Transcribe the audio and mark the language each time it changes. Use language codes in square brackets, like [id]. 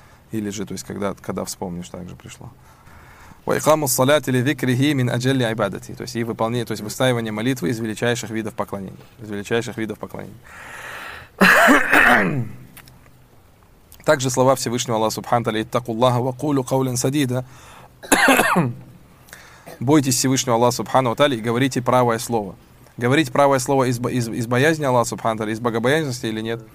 [ru] Или же, то есть, когда вспомнишь, так же пришло. [ar] وإقام الصلاة لذكره هي من أجل عبادتي. [ru] То есть, и выполнение, то есть, выстаивание молитвы из величайших видов поклонения. Из величайших видов поклонения. Также слова Всевышнего Аллаха Субхану ва Тааля: [ar] «Иттаку Аллаха ва кулу каулян садида». [ru] Бойтесь Всевышнего Аллаха Субхану ва Тааля и говорите правое слово. Говорить правое слово из боязни Аллаха Субхану ва Тааля, из богобоязненности или нет?